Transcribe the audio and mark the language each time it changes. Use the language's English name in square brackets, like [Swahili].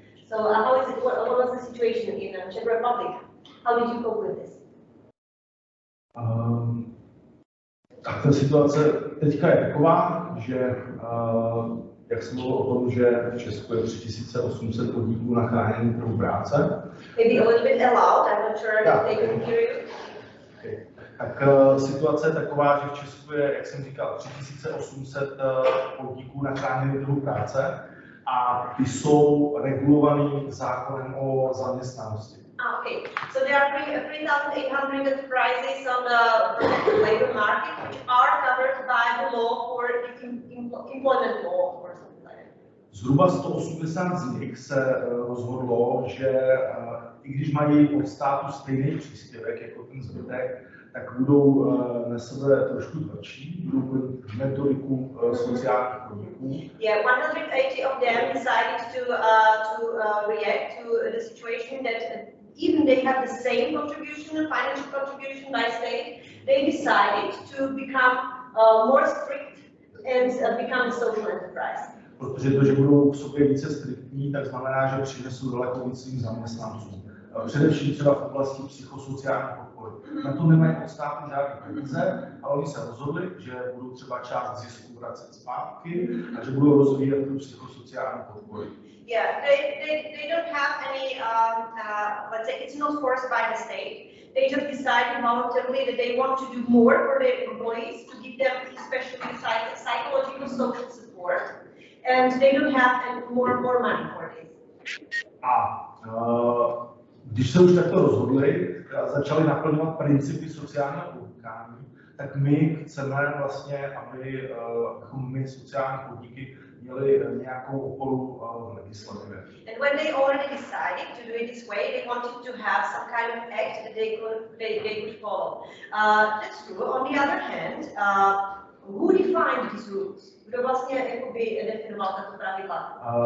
[English] So, what was the situation in the Czech Republic? How did you cope with this? [Czech] Tak ta situace teďka je taková, že jak jsem mluvil o tom, že v Česku je 3800 podniků na chráněném trhu práce. [English] Maybe a little bit allowed, I'm not sure if they can hear you. [Czech] Tak situace je taková, že v Česku je, jak jsem říkal, 3800 podniků na chráněném trhu práce a ty jsou regulovaný zákonem o zaměstnanosti. [English] Okay, so there are 3,800 enterprises on the labor market which are covered by the law for employment law or something like that. [Czech] Zhruba 180 z nich se rozhodlo, že i když mají od státu stejný příspěvek jako ten zbytek, tak budou na sebe trošku tvrdší, budou mít metodiku sociálních podniků. [English] Yeah, 180 of them decided to react to the situation that even they have the same contribution, the financial contribution by state, they decided to become more strict and become a social enterprise. [Czech] Protože to, že budou k sobě více striktní, tak znamená, že přinesou daleko víc svým zaměstnancům. Především třeba v oblasti psychosociální podpory. Mm-hmm. Na to nemají od státu žádné peníze, ale oni se rozhodli, že budou třeba část zisku vracet zpátky a že budou rozvíjet tu psychosociální podporu. [English] Yeah, they don't have any let's say it's not forced by the state. They just decide voluntarily that they want to do more for their employees to give them especially psychological social support, and they don't have more money for this. [Czech] Když se už takto rozhodli, začali naplňovat principy sociálního podnikání, tak my chceme vlastně, abychom my sociální podniky měli nějakou oporu v legislativě. [English] And when they already decided to do it this way, they wanted to have some kind of act that they could follow. That's true. On the other hand, who defined these rules? [Czech] Kdo vlastně jakoby definoval tato pravidla?